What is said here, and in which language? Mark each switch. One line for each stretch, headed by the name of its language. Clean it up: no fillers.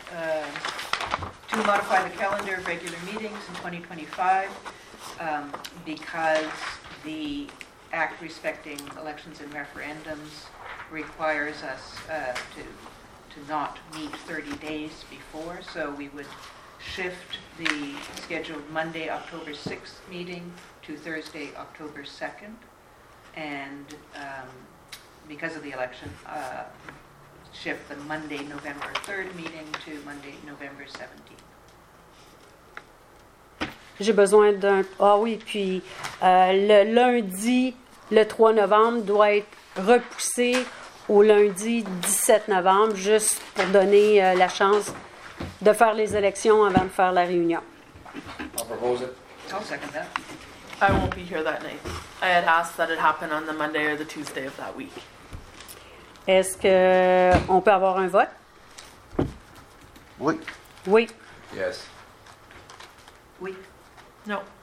English: To modify the calendar of regular meetings in 2025, because the act respecting elections and referendums requires us to not meet 30 days before, so we would shift the scheduled Monday, October 6th meeting to Thursday, October 2nd, and because of the election, shift the Monday, November 3rd meeting to Monday, November 17th.
French: J'ai besoin d'un... Ah oui, puis le lundi, le 3 novembre, doit être repoussé au lundi 17 novembre, juste pour donner la chance de faire les élections avant de faire la réunion.
English: I'll propose it. I'll second that. I won't be here that night. I had asked that it happen on the Monday or the Tuesday of that week.
French: Est-ce que on peut avoir un vote? Oui. Oui.
English: Yes.
French: Oui.
English: No.